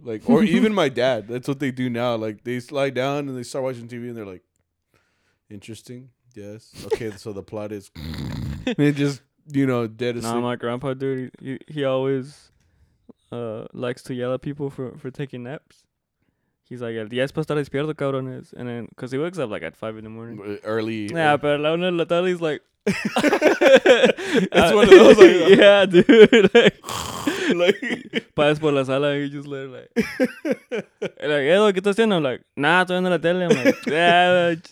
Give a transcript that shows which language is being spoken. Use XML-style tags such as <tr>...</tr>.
<en>Like, or even my dad. That's what they do now. Like, they lie down and they start watching TV and they're like, interesting. Yes. Okay. So the plot is, they just, you know, dead asleep. Nah, my grandpa, dude. He always likes to yell at people for taking naps. He's like,</en> <es>el día es para estar despierto, cabrones.</es> <en>And then, because he wakes up like at 5 in the morning. Early. Yeah, but</en> <es>la una de la tarde,</es> <en>he's like. It's one of those. Like, yeah, dude. Like.</en> <es>Pasas por la sala y</es> <en>just let it like. And like,</en> <es>Edo, ¿qué estás haciendo?</es> <en>I'm like, nah,</en> <es>estoy viendo la tele.</es> <en>I'm like, yeah.</en>